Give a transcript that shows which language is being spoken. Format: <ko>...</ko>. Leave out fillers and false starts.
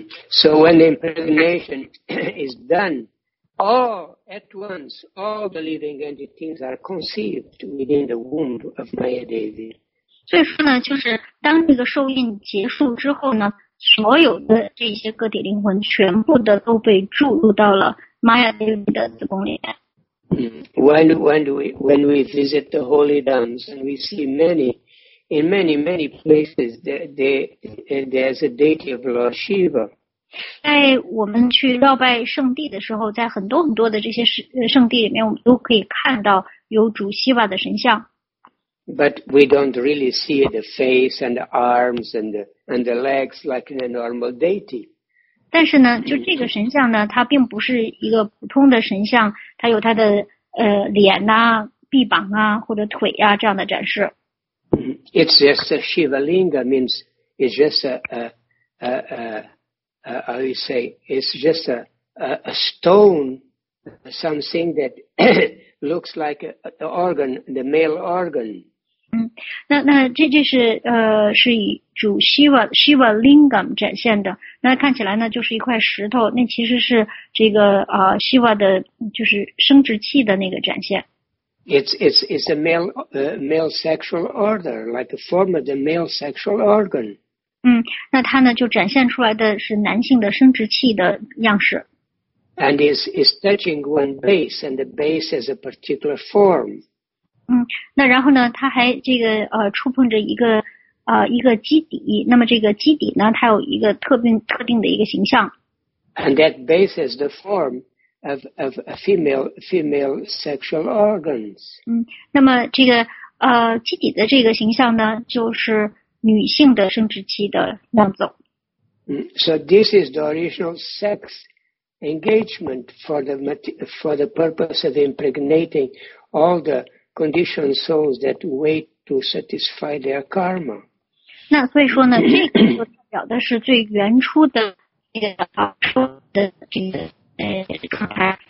<en>So when the impregnation is done, all at once, all the living entities are conceived within the womb of Maya David.</en> <zh>所以说呢，就是当这个受孕结束之后呢，所有的这些个体灵魂全部的都被注入到了 Maya Devi 的子宫里面。</zh> <en>When we visit the holy dams and we see many places there's a deity of Lord Shiva.</en> <zh>在我们去绕拜圣地的时候，在很多很多的这些圣地里面，我们都可以看到有主希瓦的神像。</zh> <en>But we don't really see the face and the arms and the legs like in a normal deity.</en> <zh>但是呢，就这个神像呢，它并不是一个普通的神像，它有它的脸啊、臂膀啊或者腿啊这样的展示。</zh> <en>It's just a Shiva Linga means it's just how you say it's just a stone, something that looks like the organ, the male organ.</en> <zh>那这是以主Shiva Lingam 展现的。那看起来呢，就是一块石头。那其实是这个Shiva 的，就是生殖器的那个展现。</zh> <en>It's a male sexual order, like a form of the male sexual organ.</en> <zh>那它呢就展现出来的是男性的生殖器的样式。</zh> <en>And is touching one base, and the base has a particular form.</en> <zh>那然后呢，它还这个触碰着一个基底。那么这个基底呢，它有一个特定的一个形象。</zh> <en>And that base has the form of female sexual organs.</en> <zh>那么这个基底的这个形象呢，就是女性的生殖器的样子。</zh> <en>So this is the original sex. Engagement for the purpose of impregnating all the conditioned souls that wait to satisfy their karma.</en> <zh>那所以说呢，这个就代表的是最原初的这个说的这个状态。</zh>